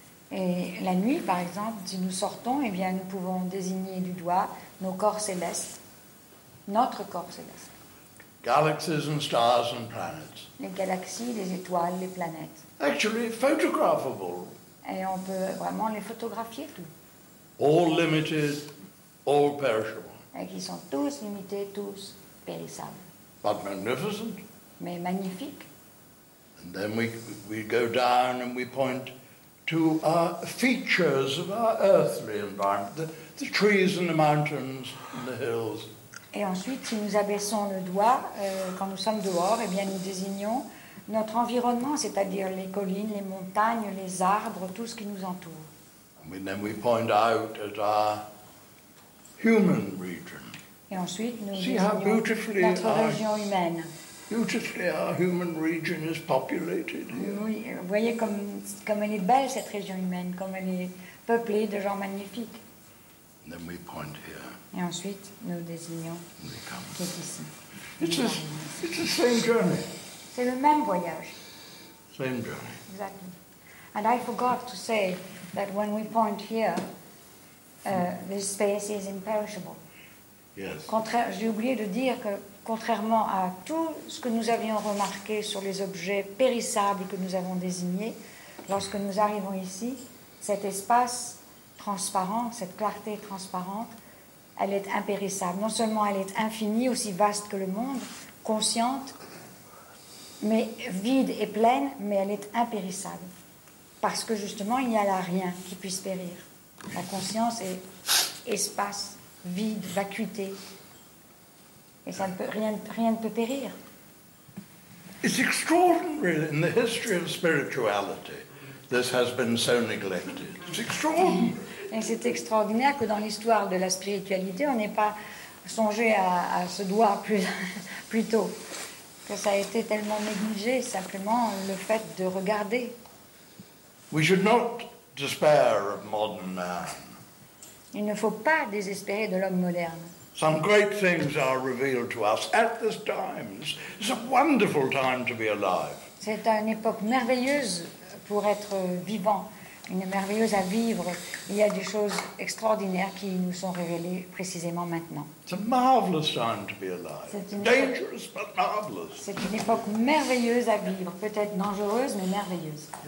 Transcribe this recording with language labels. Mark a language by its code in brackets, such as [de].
[fr] Et la nuit, par exemple, si nous sortons, eh bien, nous pouvons désigner du doigt nos corps célestes, notre corps céleste. [en] Galaxies and stars and planets. [fr] Les galaxies, les étoiles, les planètes. [en] Actually, photographable. [fr] Et on peut vraiment les photographier tous. [en] All limited, all perishable. [fr] Et qui sont tous limités, tous périssables. [en] But magnificent. [fr] Mais magnifiques. [en] And then we go down and we point to our features of our earthly environment, the trees and the mountains and the hills. [fr] Et ensuite, si nous abaissons le doigt, quand nous sommes dehors, eh bien, nous désignons notre environnement, c'est-à-dire les collines, les montagnes, les arbres, tout ce qui nous entoure. [en] And then we point out at our human region. [fr] Et ensuite, nous [en] see [fr] désignons notre région humaine. [en] Beautifully our human region is populated here. [fr] Oui, voyez comme elle est belle, cette région humaine, comme elle est peuplée de gens magnifiques. [en] And then we point here. [fr] Et ensuite, nous désignons qui est ici. [en] It's the same journey. [fr] C'est le même voyage. [en] Same journey. Exactly. And I forgot to say that when we point here, this space is imperishable. Yes. [fr] J'ai oublié de dire que, contrairement à tout ce que nous avions remarqué sur les objets périssables que nous avons désignés, lorsque nous arrivons ici, cet espace transparent, cette clarté transparente, elle est impérissable. Non seulement elle est infinie, aussi vaste que le monde, consciente, mais vide et pleine, mais elle est impérissable. Parce que justement, il n'y a là rien qui puisse périr. La conscience est espace, vide, vacuité. Et ça ne peut, rien ne peut périr. [en] It's extraordinary in the history of spirituality. This has been so neglected. It's extraordinary. [fr] Et c'est extraordinaire que dans l'histoire de la spiritualité, on n'ait pas songé à ce doigt plus tôt. Que ça a été tellement négligé, simplement le fait de regarder. [en] We should not despair of modern man. [fr] Il ne faut pas désespérer de l'homme moderne. [en] Some great things are revealed to us at this time. It's a wonderful time to be alive. [fr] C'est une époque merveilleuse pour être vivant, une merveilleuse à vivre. Il y a des choses extraordinaires qui nous sont révélées précisément maintenant. [en] It's a marvelous time to be alive. Dangerous, but marvelous. [fr] C'est une époque merveilleuse à vivre, peut-être dangereuse, mais merveilleuse.